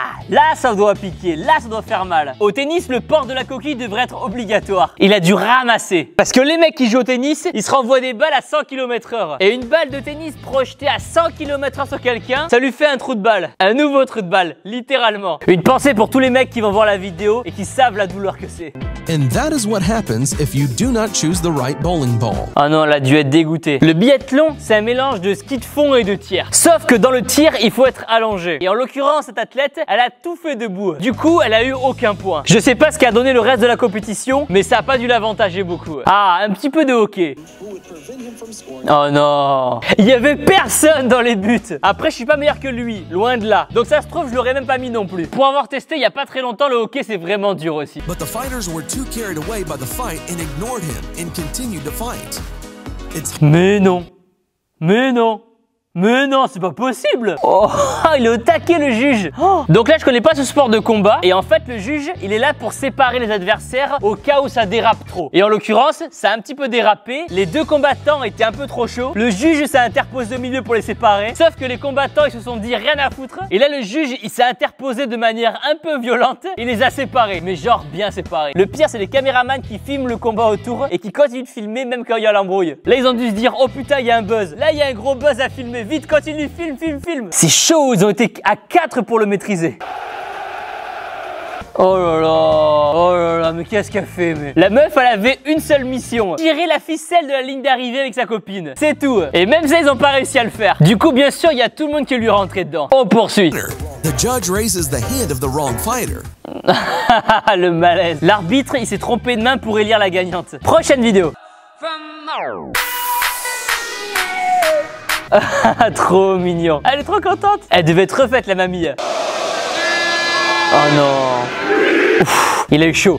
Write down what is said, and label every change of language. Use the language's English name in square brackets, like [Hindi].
[French] Là, ça doit piquer, là, ça doit faire mal. Au tennis, le port de la coquille devrait être obligatoire. Il a dû ramasser. Parce que les mecs qui jouent au tennis, ils se renvoient des balles à 100 km/h. Et une balle de tennis projetée à 100 km/h sur quelqu'un, ça lui fait un trou de balle. Un nouveau trou de balle, littéralement. Une pensée pour tous les mecs qui vont voir la vidéo et qui savent la douleur que c'est. [English] And that is what happens if you do not choose the right bowling ball. [French] Oh non, elle a dû être dégoûtée. Le biathlon, c'est un mélange de ski de fond et de tir. Sauf que dans le tir, il faut être allongé. Et en l'occurrence, cette athlète, elle a tout fait debout. Du coup, elle a eu aucun point. Je sais pas ce qu'a donné le reste de la compétition, mais ça a pas dû l'avantager beaucoup. Ah, un petit peu de hockey. Oh non. Il y avait personne dans les buts. Après, je suis pas meilleur que lui, loin de là. Donc ça se trouve, je l'aurais même pas mis non plus. Pour avoir testé il y a pas très longtemps, le hockey c'est vraiment dur aussi. [English] But the fighters were too carried away by the fight and ignored him and continued to fight. [French] Mais non. Mais non. Mais non, c'est pas possible. Oh, il est au taquet le juge. Oh. Donc là, je connais pas ce sport de combat. Et en fait, le juge, il est là pour séparer les adversaires au cas où ça dérape trop. Et en l'occurrence, ça a un petit peu dérapé. Les deux combattants étaient un peu trop chauds. Le juge s'est interposé au milieu pour les séparer. Sauf que les combattants, ils se sont dit rien à foutre. Et là, le juge, il s'est interposé de manière un peu violente. Il les a séparés, mais genre bien séparés. Le pire, c'est les caméramans qui filment le combat autour et qui continuent de filmer même quand il y a l'embrouille. Là, ils ont dû se dire, oh putain, il y a un buzz. Là, il y a un gros buzz à filmer. Vite, continue, filme, filme, filme. C'est chaud, ils ont été à 4 pour le maîtriser. Oh là là, oh là là, mais qu'est-ce qu'elle fait, mais... La meuf, elle avait une seule mission. Tirer la ficelle de la ligne d'arrivée avec sa copine. C'est tout. Et même ça, ils ont pas réussi à le faire. Du coup, bien sûr, il y a tout le monde qui lui est rentré dedans. On poursuit. [English] The judge raises the hand of the wrong fighter. [French] Le malaise. L'arbitre, il s'est trompé de main pour élire la gagnante. Prochaine vidéo. Trop mignon. Elle est trop contente. Elle devait être refaite la mamie. Oh non. Ouf, il a eu chaud.